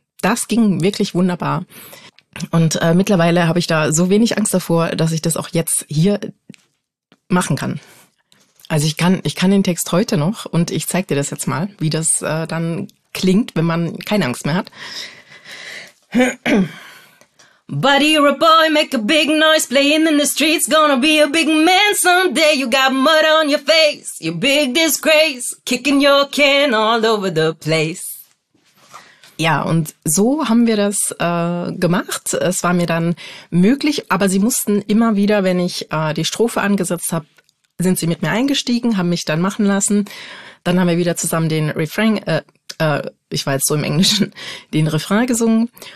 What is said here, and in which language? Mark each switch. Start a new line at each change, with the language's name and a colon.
German: Das ging wirklich wunderbar. Und mittlerweile habe ich da so wenig Angst davor, dass ich das auch jetzt hier machen kann. Also ich kann den Text heute noch und ich zeige dir das jetzt mal, wie das dann klingt, wenn man keine Angst mehr hat.
English: Buddy, you're a boy, make a big noise, playing in the streets, gonna be a big man someday, you got mud on your face, you big disgrace, kicking your can all over the place.
German: Ja, und so haben wir das gemacht. Es war mir dann möglich, aber sie mussten immer wieder, wenn ich die Strophe angesetzt habe, sind sie mit mir eingestiegen, haben mich dann machen lassen. Dann haben wir wieder zusammen den Refrain, ich war jetzt so im Englischen, den Refrain gesungen.